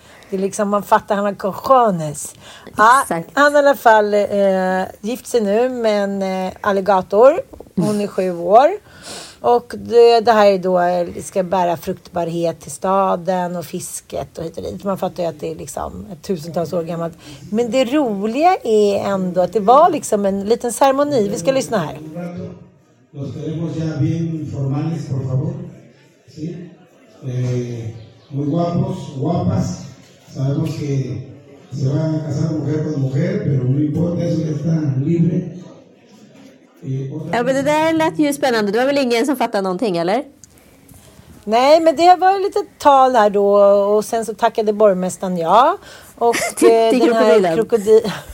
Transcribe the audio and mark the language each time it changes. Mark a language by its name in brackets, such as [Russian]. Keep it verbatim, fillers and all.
[Swedish] Det är liksom, man fattar, han har cojones. Ah, han i alla fall eh, gift sig nu med en eh, alligator. Hon är sju år. Och det, det här är då, ska bära fruktbarhet till staden och fisket och hit och dit. Man fattar ju att det är liksom ett tusentals år gammalt. Men det roliga är ändå att det var liksom en liten ceremoni. Vi ska lyssna här. [Spanish] Los queremos ya bien formales, por favor. Sí. Eh, muy guapos, guapas. Sabemos que se va a casar mujer con mujer, pero no importa, eso ya está libre. [Swedish] Ja, men det där lät ju spännande. Det var väl ingen som fattade någonting, eller? Nej, men det var lite tal här då. Och sen så tackade borgmästaren ja. Och den här krokodilen.